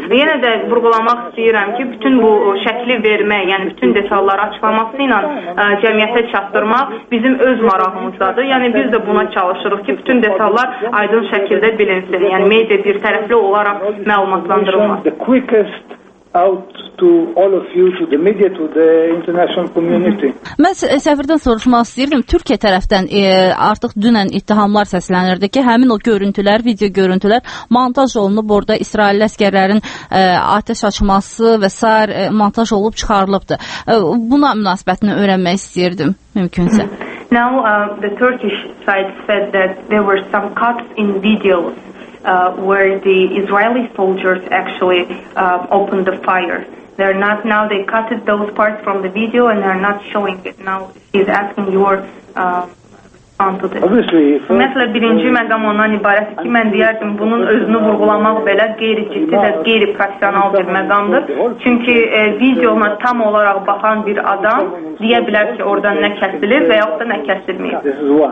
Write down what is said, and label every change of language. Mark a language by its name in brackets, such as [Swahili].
[Azerbaijani] Yenə də vurğulamaq istəyirəm ki, bütün bu şəkli vermək, yəni bütün detalları açıqlaması ilə cəmiyyətə çatdırmaq bizim öz marağımızdadır. Yəni biz də buna çalışırıq ki, bütün detallar aydın şəkildə bilinsin. Yəni media bir tərəfli olaraq məlumatlandırılmasın. [English] Out to all of you, to the media, to the international community. [Azerbaijani] Mən Səfirdən soruşmaq istəyirdim. Türkiyə tərəfdən artıq dünən ittihamlar səslənirdi ki, həmin o görüntülər, video görüntülər montaj olunub, orada İsrail əskərlərin atəş açması və s. montaj olub çıxarılıbdır. Buna münasibətini öyrənmək istəyirdim, mümkünsə. [English] Now the Turkish side said that there were some cuts in videos. Where the Israeli soldiers actually opened the fire. They're not now, they cut those parts from the video and they're not showing it. Now he's asking your [Azerbaijani] Ümumiyyətlə, birinci məqam ondan ibarət ki, mən deyərdim, bunun özünü vurğulamaq belə qeyri-ciddi və qeyri-professional bir məqamdır. Çünki videona tam olaraq baxan bir adam deyə bilər ki, orada nə kəsilir və yaxud da nə kəsilməyir.